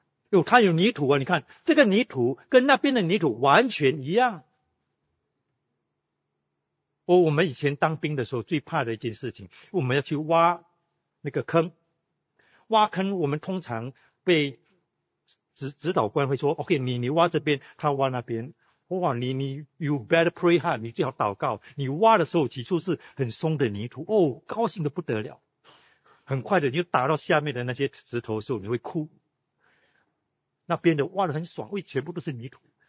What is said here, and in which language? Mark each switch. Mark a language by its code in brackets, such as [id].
[zh] 哟，他有泥土啊，你看这个泥土跟那边的泥土完全一样。我们以前当兵的时候最怕的一件事情，我们要去挖那个坑。挖坑我们通常被指导官会说， OK, 你挖这边，他挖那边。哇，你 [en] you better pray hard, [zh] 你最好祷告。你挖的时候起初是很松的泥土，哦，高兴得不得了。很快的就打到下面的那些石头的时候你会哭。那边的挖得很爽，会全部都是泥土。